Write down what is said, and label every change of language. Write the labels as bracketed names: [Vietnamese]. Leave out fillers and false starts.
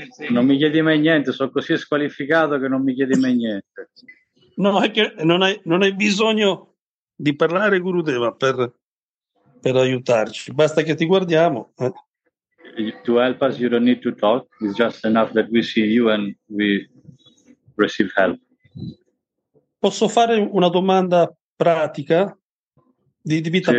[Italian] Non mi chiedi mai niente, sono così squalificato che non mi chiedi mai niente. No, è che non hai bisogno di parlare, Gurudeva, per aiutarci. Basta che ti guardiamo. [English] To help us, you don't need to talk. It's just enough that we see you and we receive help. [Italian] Posso fare una domanda pratica, di vita sì.